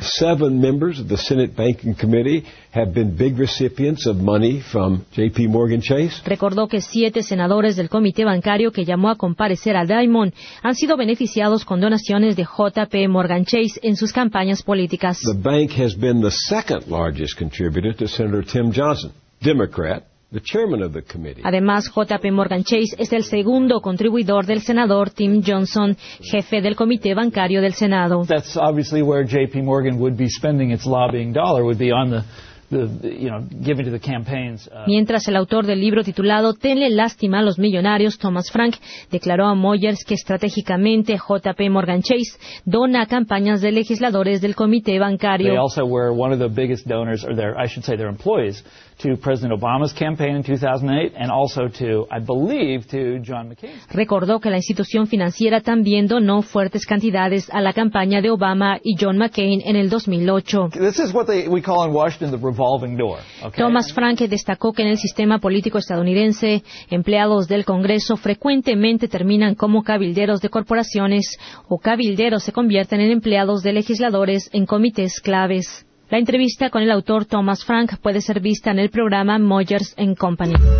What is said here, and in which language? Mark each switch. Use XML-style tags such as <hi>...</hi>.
<en>7</en> <es>miembros del</es> <en>Senate Banking Committee have been big recipients of money from JP Morgan Chase.</en> <es>Recordó que 7 senadores del comité bancario que llamó a comparecer a Dimon han sido beneficiados con donaciones de JP Morgan Chase en sus campañas políticas.</es> <en>The bank has been the second largest contributor to Senator Tim Johnson, Democrat, the chairman of the committee.</en> <es>Además, JP Morgan Chase es el segundo contribuidor del senador Tim Johnson, jefe del comité bancario del Senado.</es> <en>That's obviously where JP Morgan would be spending its lobbying dollar, would be on the giving to the campaigns.</en> <es>Mientras el autor del libro titulado Tenle lástima a los millonarios, Thomas Frank, declaró a Moyers que estratégicamente JP Morgan Chase dona a campañas de legisladores del comité bancario.</es> <en>They also were one of the biggest donors, or their, I should say their employees, to President Obama's campaign in 2008 and also to, I believe, to John McCain.</en> <es>Recordó que la institución financiera también donó fuertes cantidades a la campaña de Obama y John McCain en el 2008.</es> <en>This is what we call in Washington the revolving door, okay?</en> <es>Thomas Frank destacó que en el sistema político estadounidense, empleados del Congreso frecuentemente terminan como cabilderos de corporaciones o cabilderos se convierten en empleados de legisladores en comités claves. La entrevista con el autor Thomas Frank puede ser vista en el programa Moyers & Company.</es>